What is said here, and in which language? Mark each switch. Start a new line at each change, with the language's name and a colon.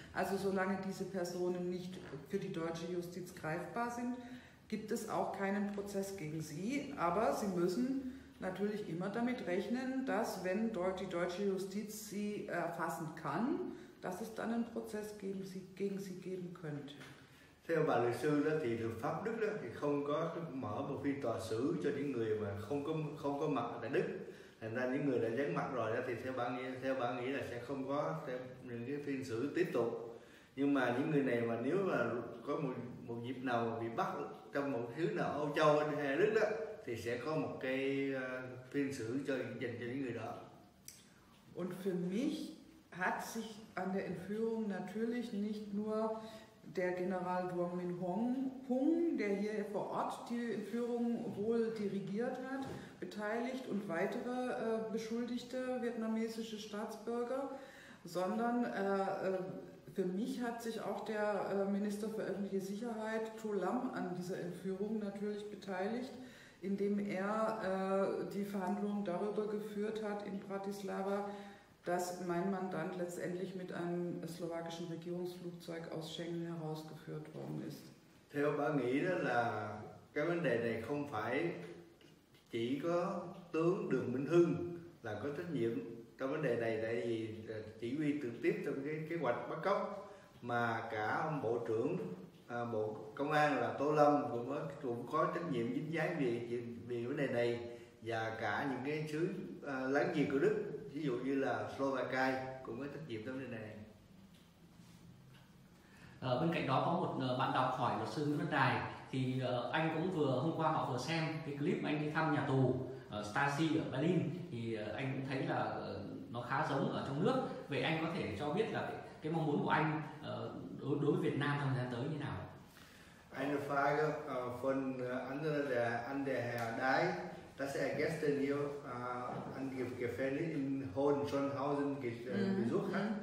German: Also solange diese Personen nicht für die deutsche Justiz greifbar sind, gibt es auch keinen Prozess gegen sie. Aber sie müssen natürlich immer damit rechnen, dass wenn dort die deutsche Justiz sie erfassen kann, dass es dann einen Prozess gegen sie geben könnte.
Vietnamese: Theo bà luật sư đó thì luật pháp Đức đó thì không có mở một phiên tòa xử cho những người mà không có mặt tại Đức. Thành ra những người đã dán mặt rồi đó thì theo bà nghĩ là sẽ không có những cái phiên xử tiếp tục. Nhưng mà những người này mà nếu mà có một dịp nào bị bắt trong một thứ nào Âu Châu hay Đức đó thì sẽ có một cái phiên xử dành cho những người đó.
German: Und für mich hat sich an der Entführung natürlich nicht nur der General Duong Minh Hung, der hier vor Ort die Entführung wohl dirigiert hat, beteiligt und weitere beschuldigte vietnamesische Staatsbürger, sondern für mich hat sich auch der Minister für öffentliche Sicherheit, Tho Lam, an dieser Entführung natürlich beteiligt, indem er die Verhandlungen darüber geführt hat in Bratislava, dass mein Mandant letztendlich mit einem slowakischen Regierungsflugzeug aus Schengen herausgeführt worden ist.
Vietnamese: Theo bà nghĩ đó là cái vấn đề này không phải chỉ có tướng Đường Minh Hưng là có trách nhiệm trong vấn đề này, tại vì chỉ huy trực tiếp trong cái kế hoạch bắt cóc, mà cả ông Bộ trưởng Bộ Công an là Tô Lâm cũng có trách nhiệm dính dáng về vấn đề này, và cả những cái xứ láng giềng của Đức, ví dụ như là Slovakia cũng có trách nhiệm trong vấn đề này. Bên cạnh đó có một bạn đọc hỏi luật sư Nguyễn Văn Đài, thì anh cũng vừa hôm qua họ vừa xem cái clip anh đi thăm nhà tù Stasi ở Berlin, thì anh cũng thấy là nó khá giống ở trong nước. Vậy anh có thể cho biết là cái mong muốn của anh đối với Việt Nam trong thời gian tới như nào?
German: Eine Frage von an der Herr Đài, dass er gestern hier an dem Gefängnis in Hohenschönhausen besucht hat.